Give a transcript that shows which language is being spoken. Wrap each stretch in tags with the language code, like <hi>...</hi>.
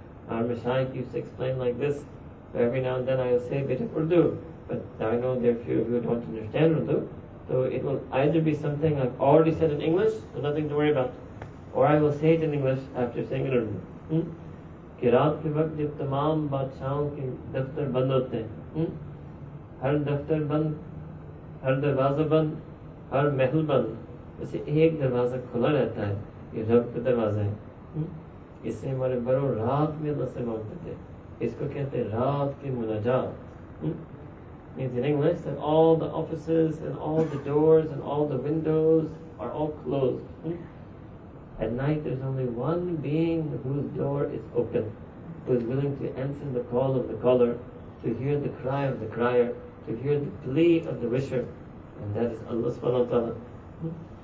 <en>Our Mashaykh used to explain like this. So every now and then I will say a bit of Urdu, but I know there are few of you who don't understand Urdu. So it will either be something I've already said in English, so nothing to worry about, or I will say it in English after saying it in Urdu.</en> <ur>قرات کے وقت جب تمام بادشاہوں کے دفتر بند ہوتے ہیں، ہر دفتر بند، ہر دروازہ بند، ہر محفل بند۔ ویسے ایک دروازہ کھلا رہتا ہے، یہ رب کا دروازہ ہے۔ اسے ہمارے بڑو رات میں اللہ سے مانگتے تھے۔ اسکو کہتے ہیں رات کے مناجات۔</ur> <en>Means in English that all the offices and all the doors and all the windows are all closed. At night there's only one being whose door is open, who is willing to answer the call of the caller, to hear the cry of the crier, to hear the plea of the wisher, and that is Allah subhanahu wa ta'ala.</en>